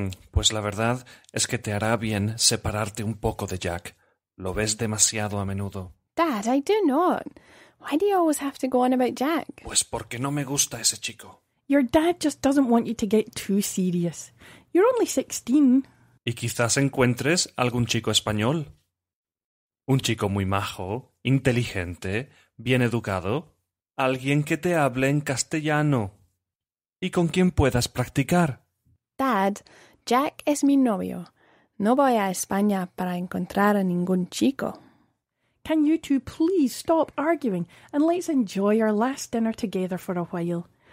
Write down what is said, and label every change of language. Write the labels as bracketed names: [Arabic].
[Spanish] Pues la verdad es que te hará bien separarte un poco de Jack. Lo ves demasiado a menudo. [English] Dad, I do not. Why do you always have to go on about Jack? [Spanish] Pues porque no me gusta ese chico. [English] Your dad just doesn't want you to get too serious. You're only 16. [Spanish] Y quizás encuentres algún chico español. Un chico muy majo, inteligente, bien educado. Alguien que te hable en castellano. Y con quien puedas practicar. [English] Dad, [Spanish] Jack es mi novio. No voy a España para encontrar a ningún chico. [English] Can you two please stop arguing and let's enjoy our last dinner together for a while?